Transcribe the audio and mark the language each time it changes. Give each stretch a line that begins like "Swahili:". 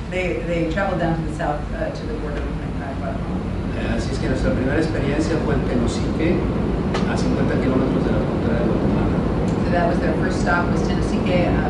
English: They traveled down to the south to the border with Guatemala.
Spanish: Así es que nuestra primera experiencia fue en Tenosique, a 50 kilómetros de la frontera de Guatemala.
English: So that was their first stop, was Tenosique.